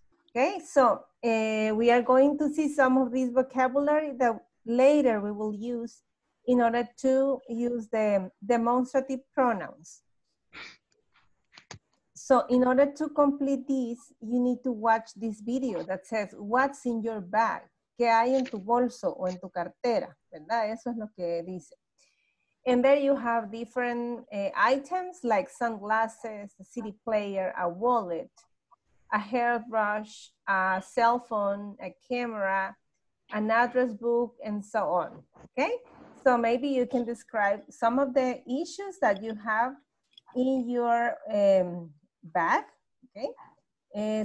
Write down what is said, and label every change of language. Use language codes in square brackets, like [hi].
[en] Okay, so we are going to see some of this vocabulary that later we will use in order to use the demonstrative pronouns. So in order to complete this, you need to watch this video that says, what's in your bag? [es] ¿Qué hay en tu bolso o en tu cartera? ¿Verdad? Eso es lo que dice. [en] And there you have different items like sunglasses, a CD player, a wallet, a hairbrush, a cell phone, a camera, an address book, and so on, okay? So maybe you can describe some of the issues that you have in your bag, okay?